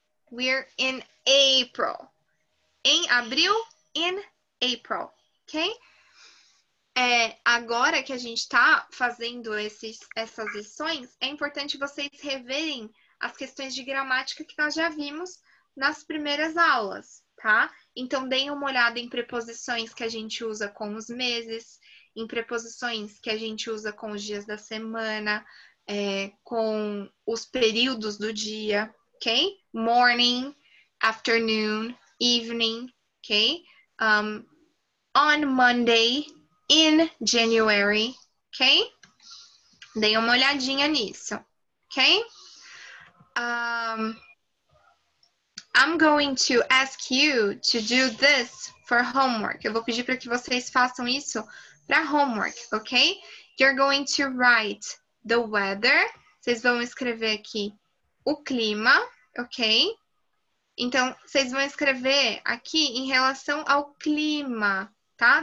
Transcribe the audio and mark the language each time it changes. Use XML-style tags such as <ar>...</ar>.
<en>We're in April,</en> <pt>em abril,</pt> <en>in April, okay?</en> <pt>É, agora que a gente está fazendo essas lições, é importante vocês reverem as questões de gramática que nós já vimos nas primeiras aulas, tá? Então, deem uma olhada em preposições que a gente usa com os meses, em preposições que a gente usa com os dias da semana, é, com os períodos do dia, ok?</pt> <en>Morning, afternoon, evening, ok? On Monday, in January, ok?</en> <pt>Dei uma olhadinha nisso, ok?</pt> <en>I'm going to ask you to do this for homework.</en> <pt>Eu vou pedir para que vocês façam isso para homework, ok?</pt> <en>You're going to write the weather.</en> <pt>Vocês vão escrever aqui o clima, ok? Então, vocês vão escrever aqui em relação ao clima, tá?</pt>